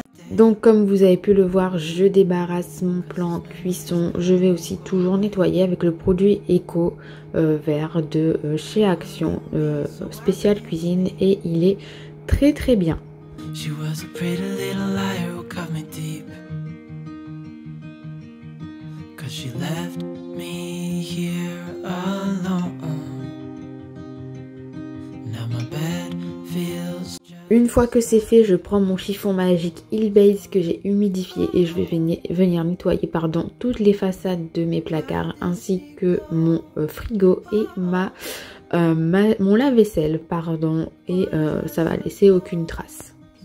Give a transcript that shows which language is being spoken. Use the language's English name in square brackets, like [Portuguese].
[French] Donc comme vous avez pu le voir, je débarrasse mon plan cuisson. Je vais aussi toujours nettoyer avec le produit Eco Vert de chez Action spécial cuisine et il est très très bien. [English] She was a pretty little liar who cut me deep, 'cause she left me here alone. Now my bed feels. [French] Une fois que c'est fait, je prends mon chiffon magique Ilbase que j'ai humidifié et je vais venir nettoyer toutes les façades de mes placards ainsi que mon frigo et mon lave-vaisselle, et ça va laisser aucune trace.